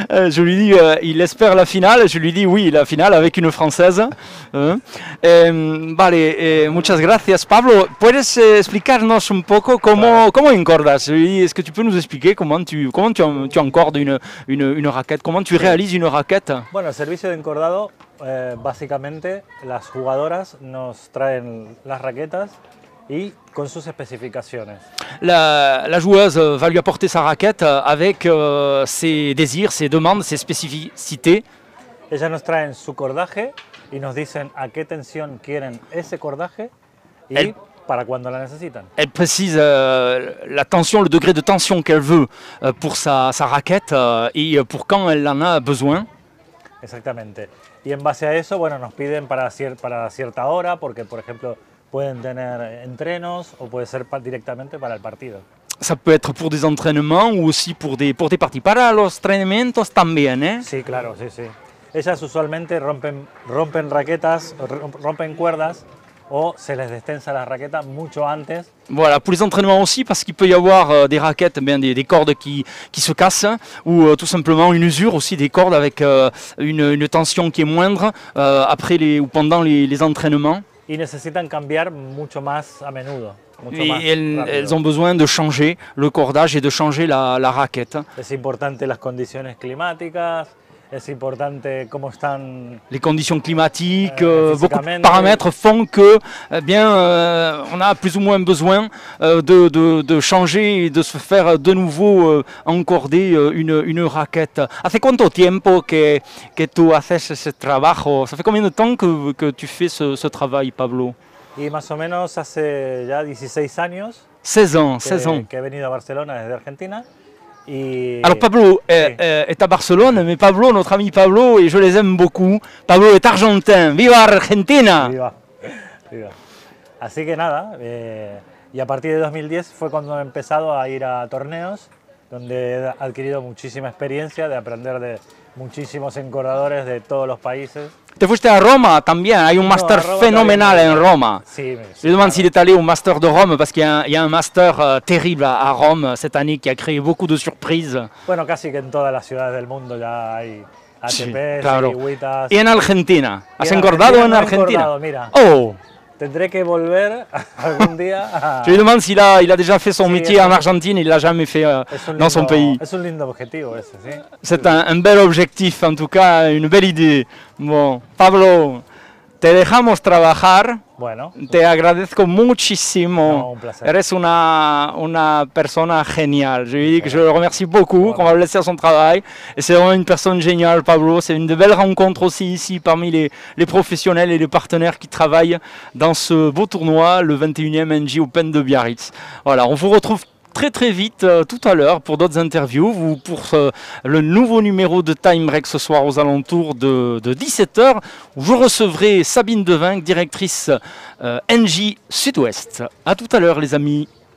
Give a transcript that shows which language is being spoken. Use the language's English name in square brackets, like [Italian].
[French] Je lui dis, il espère la finale, je lui dis oui, la finale avec une française. [Spanish] Vale, muchas gracias. Pablo, ¿puedes explicarnos un poco cómo encordas? [French] Est-ce que tu peux nous expliquer comment tu encordes une raquette? Comment tu réalises une raquette? [Spanish] Bueno, el servicio de encordado, básicamente, las jugadoras nos traen las raquetas y con sus especificaciones. [French] La joueuse va lui apporter sa raquette avec ses désirs, ses demandes, ses spécificités. [Spanish] Ellas nos traen su cordaje y nos dicen a qué tensión quieren ese cordaje y para cuando la necesitan. [French] Elle précise la tension, le degré de tension qu'elle veut pour sa raquette et pour quand elle en a besoin. [Spanish] Exactamente. Y en base a eso, bueno, nos piden para cierta hora, porque por ejemplo pueden tener entrenos o puede ser directamente para el partido. [French] Ça peut être pour des entraînements ou aussi pour des parties. [Spanish] Para los entrenamientos también, ¿eh? Sí, claro, sí, sí. Ellas usualmente rompen raquetas, rompen cuerdas o se les destensa la raqueta mucho antes. [French] Voilà, pour les entraînements aussi, parce qu'il peut y avoir des raquettes, bien des cordes qui se cassent, ou tout simplement une usure aussi des cordes avec une tension qui est moindre après les ou pendant les entraînements. [Spanish] Y necesitan cambiar mucho más a menudo. Mucho y ellos [French] han besoin de changer le cordage y de changer la raquette. [Spanish] Es importante las condiciones climáticas, es importante cómo están. [French] Les conditions climatiques, beaucoup de paramètres font que, on a plus ou moins besoin de changer y de se faire de nouveau encorder une raquette. [Spanish] ¿Hace cuánto tiempo que tú haces ese trabajo? [French] ¿Ça fait combien de temps que tú fais ce travail, Pablo? [Spanish] Y más o menos hace ya 16 años. [French] 16 ans, 16 ans. [Spanish] Que he venido a Barcelona desde Argentina. [French] Alors Pablo est à Barcelone, mais Pablo, notre ami Pablo, et je les aime beaucoup, Pablo est argentin, [Spanish] viva Argentina! Viva, viva. Así que nada, y a partir de 2010 fue cuando he empezado a ir a torneos, donde he adquirido muchísima experiencia de aprender de muchísimos encordadores de todos los países. Te fuiste a Roma también, hay un máster fenomenal también en Roma. Sí, [French] je me demande s'il est allé au master de Rome, parce qu'il y a un master terrible à Rome cette année qui a créé beaucoup de surprises. [Spanish] Bueno, casi que en todas las ciudades del mundo ya hay ATP, sí, claro. Y WTA. Y en Argentina. ¿Has encordado en Argentina? Encordado, mira. Oh. Tendré que volver algún día. [French] Tu lui demandes s'il a, il a déjà fait son métier en Argentine, il ne l'a jamais fait dans son pays. [Spanish] Es un lindo objetivo ese, sí. [French] C'est un bel objectif, en tout cas, une belle idée. [Spanish] Bon, Pablo, te dejamos trabajar. Bueno. Te agradezco muchísimo. No, un placer. Eres una persona genial. [French] Je lui dis que je le remercie beaucoup, voilà. Qu'on va le laisser à son travail. Et c'est vraiment une personne géniale, Pablo. C'est une belle rencontre aussi ici parmi les professionnels et les partenaires qui travaillent dans ce beau tournoi, le 21e NG Open de Biarritz. Voilà, on vous retrouve très très vite tout à l'heure pour d'autres interviews ou pour le nouveau numéro de Time Break ce soir aux alentours de 17h où je recevrai Sabine Devin, directrice NG Sud-Ouest. A tout à l'heure les amis.